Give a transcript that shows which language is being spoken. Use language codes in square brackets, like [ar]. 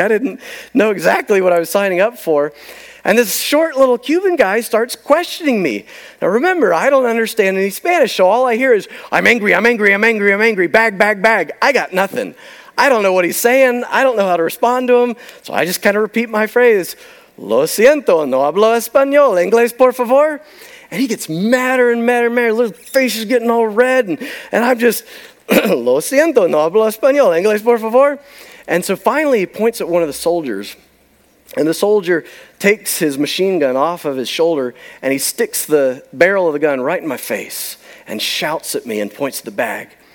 [en] I didn't know exactly what I was signing up for. And this short little Cuban guy starts questioning me. Now remember, I don't understand any Spanish, so all I hear is, I'm angry, I'm angry, I'm angry, I'm angry, bag, bag, bag. I got nothing. I don't know what he's saying. I don't know how to respond to him. So I just kind of repeat my phrase, [es] lo siento, no hablo español, inglés por favor. [en] And he gets madder and madder and madder. His little face is getting all red. [es] And I'm just, lo siento, no hablo español, inglés por favor. [en] And so finally he points at one of the soldiers. And the soldier takes his machine gun off of his shoulder and he sticks the barrel of the gun right in my face and shouts at me and points at the bag.